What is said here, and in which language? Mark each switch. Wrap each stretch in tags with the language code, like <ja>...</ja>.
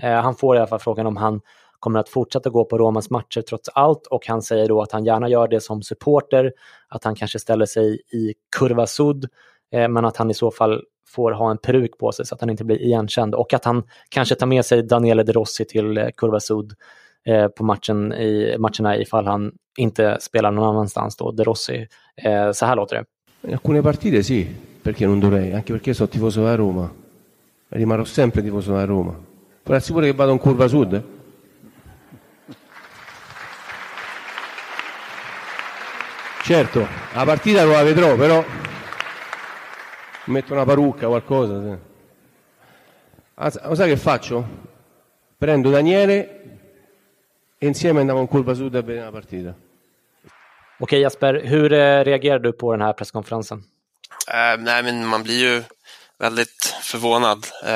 <sv>Han får i alla fall frågan om han kommer att fortsätta gå på Romas matcher trots allt, och han säger då att han gärna gör det som supporter, att han kanske ställer sig i kurva sud, men att han i så fall får ha en peruk på sig så att han inte blir igenkänd, och att han kanske tar med sig Daniele De Rossi till kurva sud på matcherna ifall han inte spelar någon annanstans då. De Rossi, så här låter det.</sv> <it>In alcune partite sì, perché non dovrei, anche perché sono tifoso della Roma. Rimarrò sempre tifoso della Roma. Però sicuro che vado in curva sud. Certo, la partita la vedrò, però metto una parrucca o qualcosa. Sì. Lo sai che faccio? Prendo Daniele e insieme andiamo in curva sud a vedere la partita.</it> <sv>Okej, Jasper, hur reagerar du på den här presskonferensen? Men man blir ju väldigt förvånad.</sv>